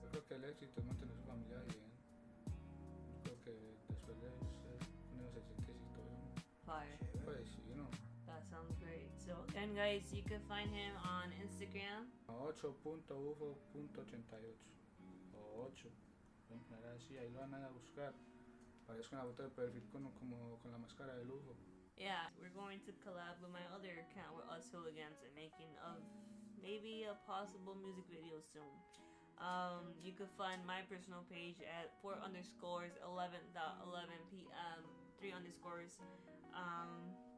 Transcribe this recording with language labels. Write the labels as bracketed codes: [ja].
[es] Yo creo que el éxito es mantener su familia bien. Creo que después de eso, se siente exitoso. [en] Fire. [es] Pues sí, ¿no? [en] That sounds great. So again, guys, you can find him on Instagram. 8.ufo.88 8. [es] Ahora sí, ahí lo van a buscar. Parece una foto de perfil con la máscara de lujo. [en] Yeah, we're going to collab with my other account with Us Hooligans and making of maybe a possible music video soon. You could find my personal page at 4_11.11pm3_.